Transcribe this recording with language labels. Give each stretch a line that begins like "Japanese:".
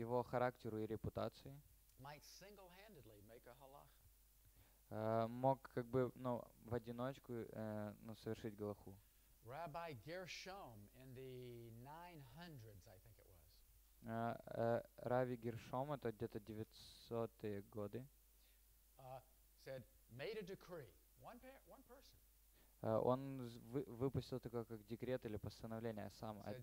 Russian: его характеру и репутации,
English: might single-handedly make a halacha.
Russian: Мог как бы, ну, в одиночку, ну, совершить галаху.
English: Rabbi Gershom in the 900s, I think it was.
Russian: Рави Гершом, это где-то 900-е годы.
English: Said, made a decree. One person.
Russian: Он выпустил такое, как декрет или постановление сам.